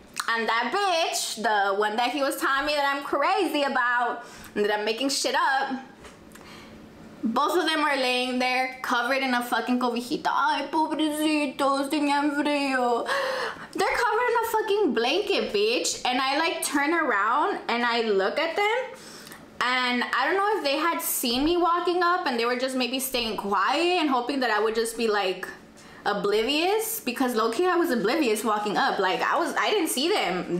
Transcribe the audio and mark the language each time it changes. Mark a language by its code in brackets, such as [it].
[en] And that bitch, the one that he was telling me that I'm crazy about, and that I'm making shit up, both of them are laying there covered in a fucking cobijita. [es] Ay, pobrecitos, tenían frío. [en] They're covered in a fucking blanket, bitch. And I, like, turn around, and I look at them, and I don't know if they had seen me walking up, and they were just maybe staying quiet and hoping that I would just be, like... oblivious, because low-key I was oblivious walking up. Like, I didn't see them.